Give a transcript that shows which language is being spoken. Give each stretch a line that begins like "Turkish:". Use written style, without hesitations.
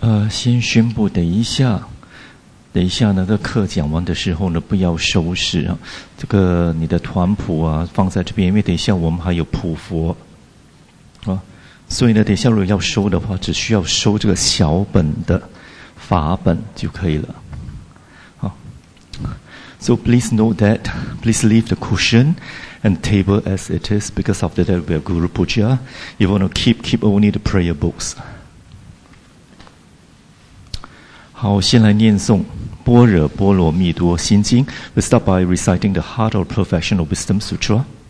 Chinese: 先宣布，等一下那个课讲完的时候呢，不要收拾啊，这个你的团谱啊放在这边，因为等一下我们还有普佛啊，所以呢，等一下如果要收的话，只需要收这个小本的法本就可以了。
English: 好 ，So please note that, please leave the cushion and table as it is, because after that we have Guru Puja. You want to keep only the prayer books.
Chinese: 好，先来念诵《般若波罗蜜多心经》。
English: We start by reciting the Heart of Perfectional Wisdom Sutra.